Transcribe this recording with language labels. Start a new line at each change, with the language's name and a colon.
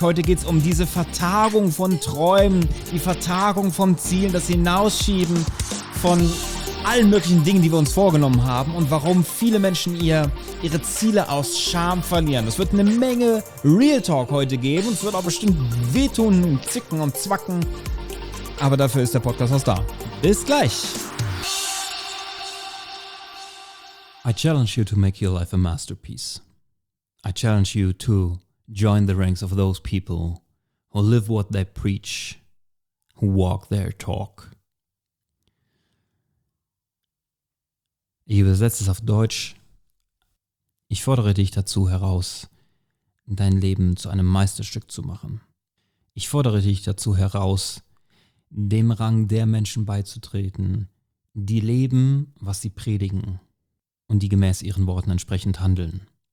German: Heute geht es um diese Vertagung von Träumen, die Vertagung von Zielen, das Hinausschieben von allen möglichen Dingen, die wir uns vorgenommen haben und warum viele Menschen ihre Ziele aus Scham verlieren. Es wird eine Menge Real Talk heute geben und es wird auch bestimmt wehtun, zicken und zwacken. Aber dafür ist der Podcast aus da. Bis gleich!
English: I challenge you to make your life a masterpiece. I challenge you to join the ranks of those people who live what they preach, who walk their talk.
German: Ich übersetze es auf Deutsch. Ich fordere dich dazu heraus, dein Leben zu einem Meisterstück zu machen. Ich fordere dich dazu heraus, dem Rang der Menschen beizutreten, die leben, was sie predigen und die gemäß ihren Worten entsprechend handeln.